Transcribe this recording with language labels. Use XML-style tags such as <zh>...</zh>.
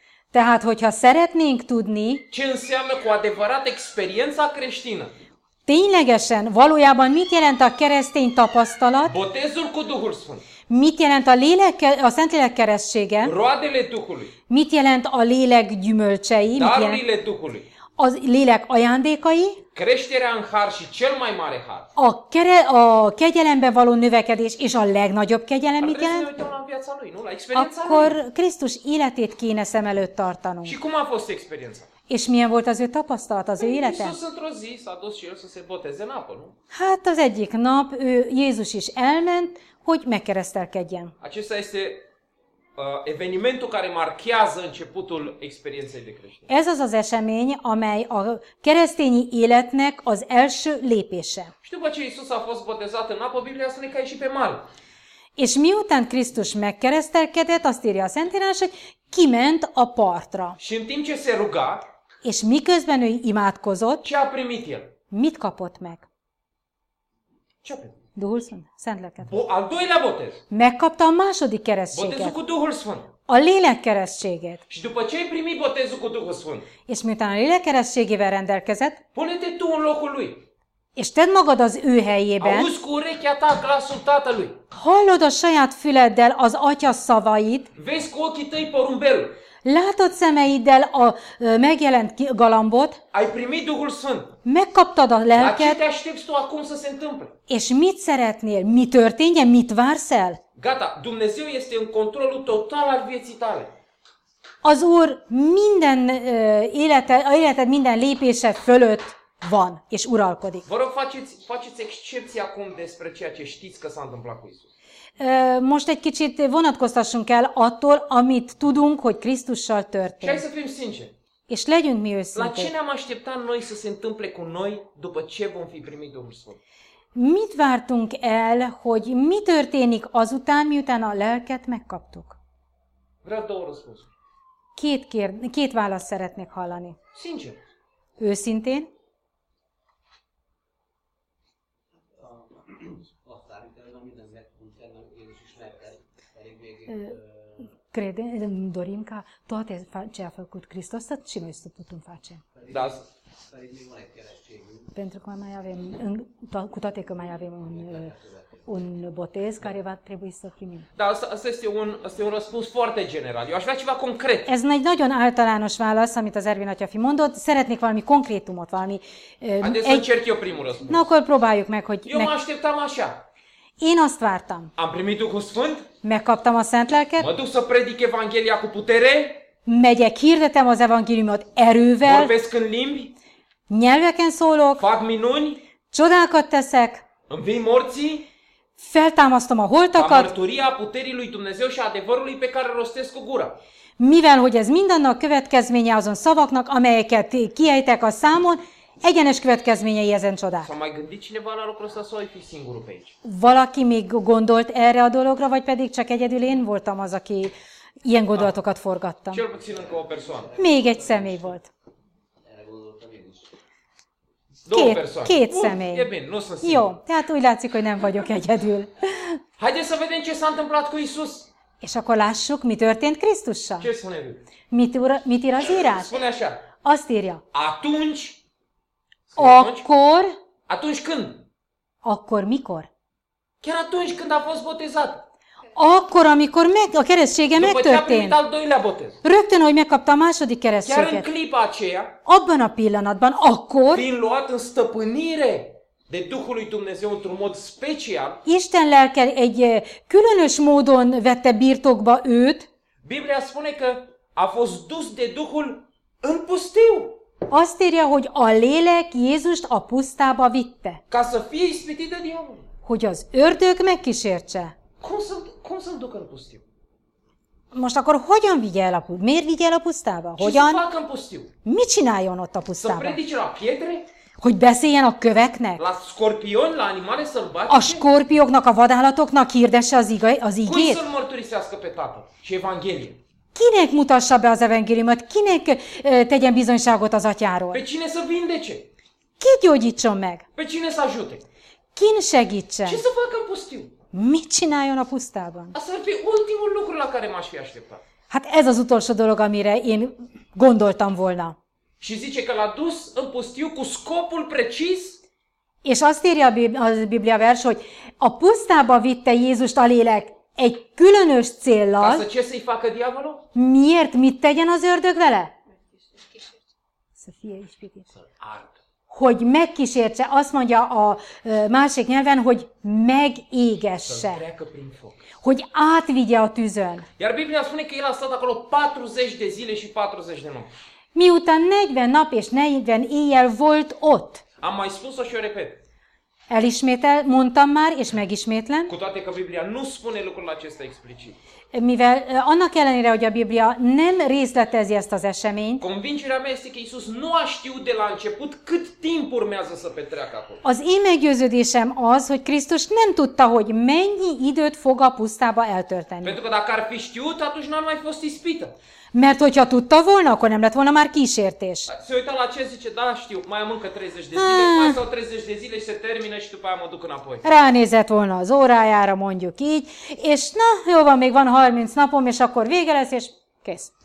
<hu>Tehát, hogyha szeretnénk tudni,</hu> <ro>ce înseamnă cu adevărat experiența creștină?</ro> <hu>Ténylegesen, valójában mit jelent a keresztény tapasztalat?</hu> <ro>Botezul cu Duhul Sfânt.</ro> <hu>Mit jelent a lélek, a Szentlélek keresztsége?</hu> <ro>Roadele Duhului.</ro> <hu>Mit jelent a lélek gyümölcsei?</hu> <ro>Darurile Duhului.</ro> <hu>A lélek ajándékai?</hu> <ro>Creșterea în har și cel mai mare har.</ro> <hu>A kegyelemben való növekedés és a legnagyobb kegyelem mit jelent? Akkor Krisztus életét kéne szem előtt tartanunk.</hu> <ro>Și cum a fost experiența?</ro> <hu>És milyen volt az ő tapasztalat, az ő élete?</hu> <ro>Krisztus într-o zi s-a dus și el să se boteze în apă, nu?</ro> <hu>Hát az egyik nap ő, Jézus is elment, hogy megkeresztelkedjen.</hu> <ro>Acesta este evenimentul care marchează începutul experienței de creștin.</ro> <hu>Ez az az esemény, amely a keresztényi életnek az első lépése.</hu> <ro>Și după ce Iisus a fost botezat în apă, Biblia spune că a ieșit pe mal.</ro> <hu>És miután Krisztus megkeresztelkedett, azt írja a Szentírás, hogy kiment a partra.</hu> <ro>Și în timp ce se ruga,</ro> <hu>és miközben ő imádkozott,</hu> <ro>ce a primit el?</ro> <hu>Mit kapott meg?</hu> <ro>Ce a primit? Duhul Sfânt,</ro> <hu>Szent Lelket.</hu> <ro>Al doilea botez.</ro> <hu>Megkapta a második keresztséget.</hu> <ro>Botezul cu Duhul Sfânt.</ro> <hu>A lélek keresztséget.</hu> <ro>Și după ce ai primit botezul cu Duhul Sfânt.</ro> <hu>És miután a lélek keresztségével rendelkezett.</hu> <ro>Pune-te tu în locul lui.</ro> <hu>És tedd magad az ő helyében.</hu> <ro>Auzi cu urechea ta glasul tatălui.</ro> <hu>Hallod a saját füleddel az atya szavait.</hu> <ro>Vezi cu ochii tăi porumbelul.</ro> <hu>Látod szemeiddel a megjelent galambot.</hu> <ro>Ai primit Duhul Sfânt.</ro> <hu>Megkaptad a lelket.</hu> <ro>La ce te aștepți tu acum să se întâmple?</ro> <hu>És mit szeretnél? Mi történjen? Mit vársz el?</hu> <ro>Gata, Dumnezeu este în controlul total al vieții tale.</ro> <hu>Az Úr minden életed minden lépése fölött van és uralkodik.</hu> <ro>Vă rog, faceți excepție acum despre ceea ce știți că s-a întâmplat cu Isus.</ro> <hu>Most egy kicsit vonatkoztassunk el attól, amit tudunk, hogy Krisztussal történt.</hu> <ro>Hai să fim sincer.</ro> <hu>És legyünk mi őszintén.</hu> <ro>La ce ne-am așteptat noi să se întâmple cu noi după ce vom fi primit Duhul Sfânt?</ro> <hu>Mit vártunk el, hogy mi történik azután, miután a lelket megkaptuk?</hu> <ro>Vreau două răspunsuri.</ro> <hu>Két választ szeretnék hallani.</hu> <ro>Sincer.</ro> <hu>Őszintén.</hu> <ro>Credem, dorim ca toate ce a făcut Hristos să și noi să putem face. Da. Pentru că mai avem, cu toate că mai avem un botez care va trebui să primim. Da, asta este un răspuns foarte general. Eu aș vrea ceva concret.</ro> <hu>Ez egy nagyon általános válasz, amit az Ervin atyafi mondott. Szeretnék valami konkrétumot, valami...</hu> <ro>Haideți să încerc eu primul răspuns.</ro> <hu>Na, akkor próbáljuk meg, hogy...</hu> <ro>Eu mă așteptam așa.</ro> <hu>Én azt vártam.</hu> <ro>Am primit Duhul Sfânt?</ro> <hu>Megkaptam a Szent Lelket.</hu> <ro>Mă duc să predic Evanghelia cu putere?</ro> <hu>Megyek, hirdetem az evangéliumot erővel.</hu> <ro>Vorbesc în limbi?</ro> <hu>Nyelveken szólok.</hu> <ro>Fac minuni?</ro> <hu>Csodákat teszek.</hu> <ro>Învii morții?</ro> <hu>Feltámasztom a holtakat.</hu> <ro>A mărturia puterii lui Dumnezeu și adevărului pe care rostesc cu gura.</ro> <hu>Mivel, hogy ez mindannak következménye azon szavaknak, amelyeket kiejtek a számon, egyenes következményei ezen csodák.</hu> <ro>S-a mai gândit cineva la lucrul ăsta, sau ai fi singurul pe aici?</ro> <hu>Valaki még gondolt erre a dologra, vagy pedig csak egyedül én voltam az, aki ilyen gondolatokat forgattam.</hu> <ro>Cel puțin încă o persoană.</ro> <hu>Még egy személy volt. Két személy.</hu> <ro>E bine, nu sunt</ro> <hu>jó, tehát úgy látszik, hogy nem vagyok egyedül.</hu> <ro>Haideți să vedem ce s-a întâmplat cu Iisus.</ro> <hu>És akkor lássuk, mi történt Krisztussal.</hu> <ro>Ce spune ő?</ro> <hu>Mit ír az írás?</hu> <ro>Spune așa.</ro> <hu>Azt írja.</hu> <ro>Atunci.</ro> <hu>Akkor.</hu> <ro>Atunci când.</ro> <hu>Akkor mikor.</hu> <ro>Chiar atunci când a fost botezat.</ro> <hu>Akkor, amikor a keresztsége</hu> <ro>după</ro> <hu>megtörtént.</hu> <ro>Ce a primit al doilea botez.</ro> <hu>Rögtön, ahogy megkapta a második keresztséget.</hu> <ro>Chiar în clipa aceea.</ro> <hu>Abban a pillanatban, akkor.</hu> <ro>Fiind luat în stăpânire de Duhul lui Dumnezeu într-un mod special.</ro> <hu>Isten lelke egy különös módon vette birtokba őt.</hu> <ro>Biblia spune că a fost dus de Duhul în pustiu.</ro> <hu>Azt írja, hogy a lélek Jézust a pusztába vitte.</hu> <ro>Ca să fie ispitit de diavol.</ro> <hu>Hogy az ördög megkísértse.</hu> <ro>Cum să-l ducă în pustiu?</ro> <hu>Most akkor hogyan vigye el a pusztába? Miért vigye el a pusztába? Hogyan?</hu> <ro>Ce să facă în pustiu?</ro> <hu>Mi csináljon ott a pusztába?</hu> <ro>Să predice la pietre?</ro> <hu>Hogy beszéljen a köveknek?</hu> <ro>La scorpion, la animale sălbatice?</ro> <hu>A skorpióknak, a vadállatoknak hirdesse az igét?</hu> <ro>Cum să-l mărturisească pe tatăl? Și evanghelie?</ro> <hu>Kinek mutassa be az evangéliumot? Kinek tegyen bizonyságot az atyáról?</hu> <ro>Pe cine să vindece?</ro> <hu>Ki gyógyítson meg?</hu> <ro>Pe cine să ajute?</ro> <hu>Kin segítse?</hu> <ro>Ce să facă în pustiu?</ro> <hu>Mit csináljon a pusztában?</hu> <ro>Az ar fi ultimul lucru, la care m-aș fi așteptat.</ro> <hu>Hát ez az utolsó dolog, amire én gondoltam volna.</hu> <ro>Și zice că l-a dus în pustiu cu scopul precis?</ro> <hu>És azt írja a Biblia vers, hogy a pusztába vitte Jézust a lélek egy különös céllal.</hu> <ro>Ca să ce să-i facă diavolul?</ro> <hu>Miért? Mit tegyen az ördög vele?</hu> <ro>Să fie ispitit.</ro> <hu>Hogy megkísértse, azt mondja a másik nyelven, hogy megégesse. Hogy átvigye a tűzön.</hu> <ro>Iar Biblia spune că el a stat acolo 40 de zile și 40 de nopți.</ro> <hu>Miután 40 nap és 40 éjjel volt ott.</hu> <ro>Am mai spus-o și eu repet.</ro> <hu>Elismétel, mondtam már, és megismétlem.</hu> <ro>Cu toate că Biblia nu spune lucrul acesta explicit.</ro> <hu>Mivel annak ellenére, hogy a Biblia nem részletezi ezt az eseményt.</hu> <ro>Convingerea mea este că Iisus nu a știut de la început cât timp urmează să petreacă acolo.</ro> <hu>Az én meggyőződésem az, hogy Krisztus nem tudta, hogy mennyi időt fog a pusztába eltölteni.</hu> <ro>Pentru că dacă ar fi știut, atunci n-ar mai fost ispită.</ro> <hu>Mert hogyha tudta volna, akkor nem lett volna már kísértés.</hu> <ro>Se uita la ce zice, da, știu, mai am încă 30 de zile, mai sau 30 de zile și se termină și după aia mă duc înapoi.</ro> <hu>Ránézett volna az órájára, mondjuk így, és na, jó van, még van 30 napom, és akkor vége lesz, és kész.</hu>